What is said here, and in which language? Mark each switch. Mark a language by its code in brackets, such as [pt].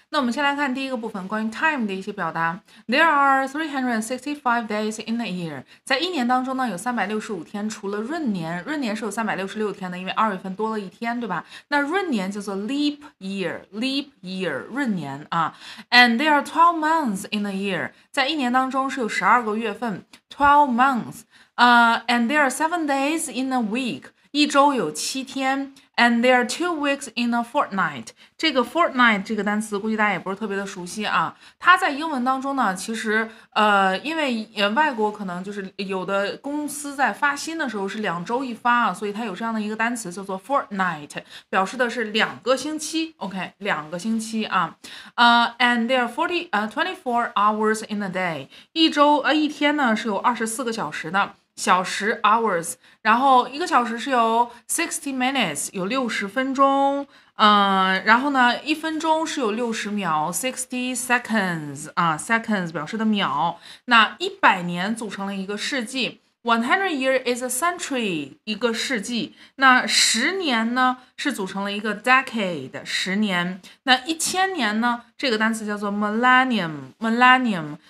[zh] 那我们先来看第一个部分，关于 time 的一些表达。 [en] There are 365 days in a year， [zh] 在一年当中呢，有365天，除了闰年，闰年是有366天的，因为二月份多了一天，对吧？那闰年叫做 leap year，闰年啊。 [en] And there are 12 months in a year， [zh] 在一年当中是有12个月份。 [en] 12 months, and there are 7 days in a week. [zh] 一周有7天 [en] ，and there are 2 weeks in a fortnight. [zh] 这个 fortnight 这个单词，估计大家也不是特别的熟悉啊。它在英文当中呢，其实因为外国可能就是有的公司在发薪的时候是2周一发啊，所以它有这样的一个单词叫做 fortnight，表示的是2个星期。 OK，2个星期啊。 [en] And there are 24 hours in a day. [zh] 一周一天呢是有24个小时的。小时 hours，然后一个小时是由 60 minutes 有60分钟，然后呢一分钟是有60秒 60 seconds 啊 seconds 表示的秒，那100年组成了一个世纪 [en] 100 year is a century [zh] 一个世纪，那10年呢是组成了一个 decade 10年，那1000年呢这个单词叫做 millennium。